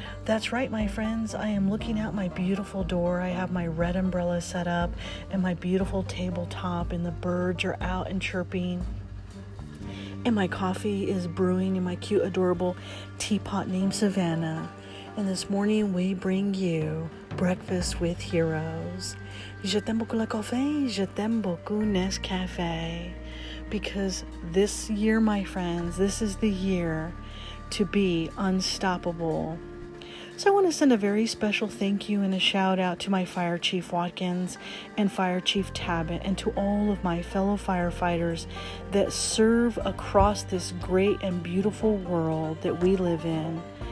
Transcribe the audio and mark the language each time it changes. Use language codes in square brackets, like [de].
[en] That's right, my friends. I am looking out my beautiful door. I have my red umbrella set up and my beautiful tabletop, and the birds are out and chirping. And my coffee is brewing in my cute, adorable teapot named Savannah. And this morning, we bring you Breakfast with Heroes. [fr] Je t'aime beaucoup le café, je t'aime beaucoup Nescafe. [en] Because this year, my friends, this is the year to be unstoppable. So I want to send a very special thank you and a shout out to my Fire Chief Watkins and Fire Chief Tabbitt, and to all of my fellow firefighters that serve across this great and beautiful world that we live in.